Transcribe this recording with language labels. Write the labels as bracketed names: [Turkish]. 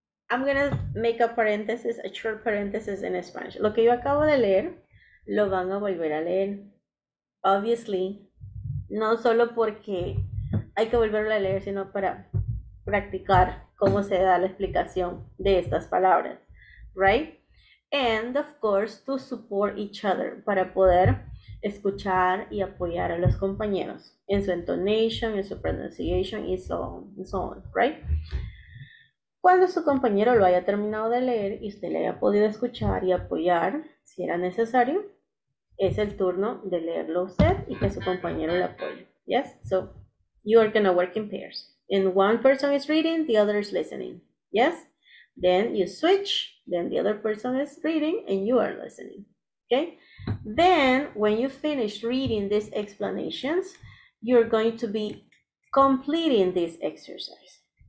[English] I'm gonna make a parenthesis, a short parenthesis in Spanish. [Spanish] Lo que yo acabo de leer, lo van a volver a leer. Obviously, no solo porque hay que volverlo a leer, sino para practicar cómo se da la explicación de estas palabras, right? [English] And of course, to support each other, [Spanish] para poder escuchar y apoyar a los compañeros en su intonation, en su pronunciation, y [English] so on, right? [Spanish] Cuando su compañero lo haya terminado de leer y usted le haya podido escuchar y apoyar, si era necesario, es el turno de leerlo usted y que su compañero le apoye. [English] Yes? So, you are going to work in pairs. And one person is reading, the other is listening. Yes? Then you switch, then the other person is reading and you are listening. Okay? Then, when you finish reading these explanations, you're going to be completing this exercise.